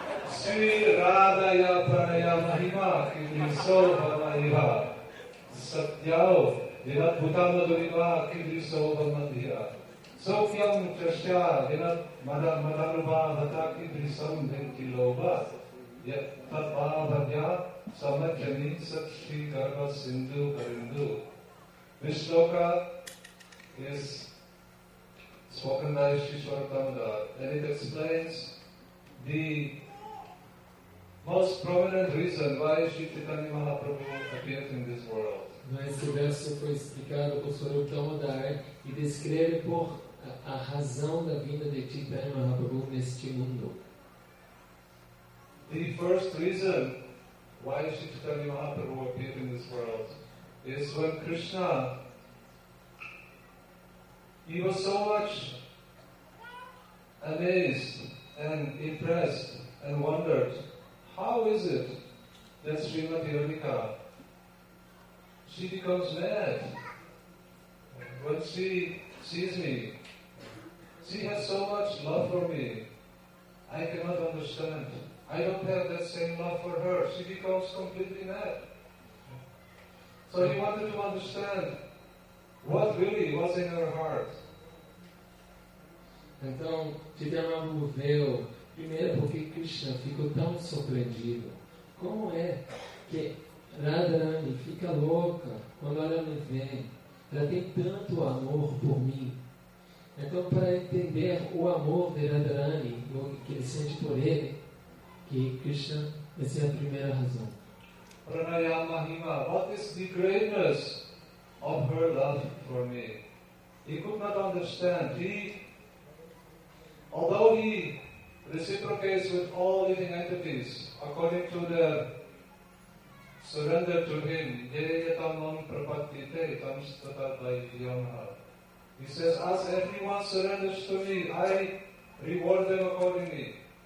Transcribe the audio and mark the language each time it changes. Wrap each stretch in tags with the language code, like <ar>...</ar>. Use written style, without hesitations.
<sa>Sri Radhaya Pranaya Mahima Kidriso Bhama Iha Satyao Dina Bhutama Dhuriva Kidriso Bhama Iha Sokyam Chasya Dina Madanubha Vata Kidrisam Dinti Loba Yatapadhyaya Samajani Sakshi Karma Sindhu Karindu.</sa> <en>This shloka is spoken by Shishwar Tamada and it explains the most prominent reason why Sri Chaitanya Mahaprabhu appeared in this world.</en> <pt>Esse verso foi explicado por Swarup Damodara e descreve por a razão da vinda de Chaitanya Mahaprabhu neste mundo.</pt> <en>The first reason why Sri Chaitanya Mahaprabhu appeared in this world is when Krishna, he was so much amazed and impressed and wondered, how is it that Srimati Radhika, she becomes mad when she sees me? She has so much love for me. I cannot understand. I don't have that same love for her. She becomes completely mad. So he wanted to understand what really was in her heart.</en> <pt>Então, Chaitanya Mahaprabhu veio, primeiro porque Krishna ficou tão surpreendido. Como é que Radharani fica louca quando ela me vê? Ela tem tanto amor por mim. Então, para entender o amor de Radharani, o que ele sente por ele, que Krishna, essa é a primeira razão.</pt> <en>Pranayama Hima, what is the greatness of her love for me? He could not understand. Although he reciprocates with all living entities according to the surrender to him, he says, as everyone surrenders to me, I reward them accordingly.</en>